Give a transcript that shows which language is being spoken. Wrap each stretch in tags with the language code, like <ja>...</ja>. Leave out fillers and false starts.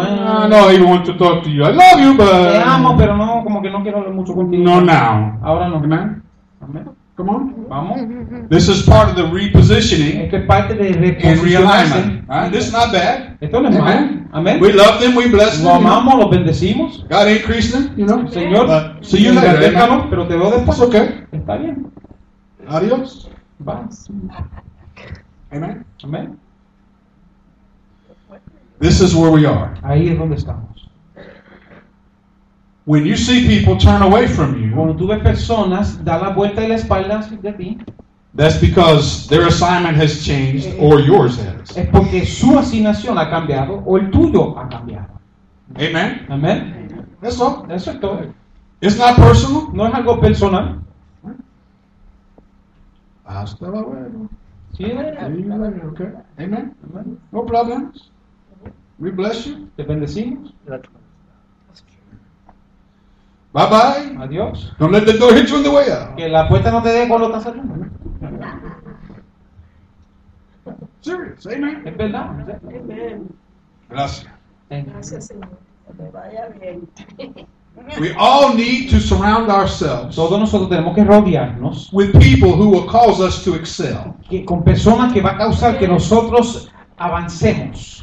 <en>no, I don't want to talk to you. I love you, but.</en> <es>Te amo, pero no, como que no quiero hablar mucho contigo.</es> <en>No, now.</en> <es>Ahora no.</es> <en>Amen.</en> <es>Amen.</es> <en>Come on.</en> <es>Vamos.</es> <en>This is part of the repositioning.</en> <es>Esto es parte de reposicionarse.</es> <en>In realignment. This is not bad.</en> <es>Esto no es mal. Amen.</es> <en>We love them. We bless them.</en> <es>Lo amamos, lo bendecimos.</es> <en>God increased them, you know.</en> <es>Señor.</es> <en>So you later.</en> <es>Déjalo, pero te veo después.</es> <en>It's okay.</en> <es>Está bien. Adios.</es> <en>Bye. Amen.</en> <es>Amen.</es> <en>This is where we are.</en> <es>Ahí es donde estamos.</es> <en>When you see people turn away from you,</en> <es>cuando tú ves personas dar la vuelta y la espalda de ti,</es> <en>that's because their assignment has changed or yours has.</en> <es>Es porque su asignación ha cambiado o el tuyo ha cambiado.</es> <en>Amen.</en> <es>Amen. Eso. Eso es todo.</es> <en>It's not personal.</en> <es>No es algo personal. Hasta la bueno. Sí, amén. Okay. No problemas. Te bendecimos.</es> <en>Bye bye.</en> <es>Adiós.</es> <en>Don't let the door hit you on the way out.</en> <es>Que la puerta no te dé cuando estás saliendo.</es> <en>Serious, amen.</en> <es>Es verdad.</es> <en>Amen.</en> <es>Gracias. Gracias, Señor. Vaya bien.</es> <en>We all need to surround ourselves.</en> <es>Todos nosotros tenemos que rodearnos.</es> <en>With people who will cause us to excel.</en> <es>Que con personas que va a causar que nosotros avancemos.</es>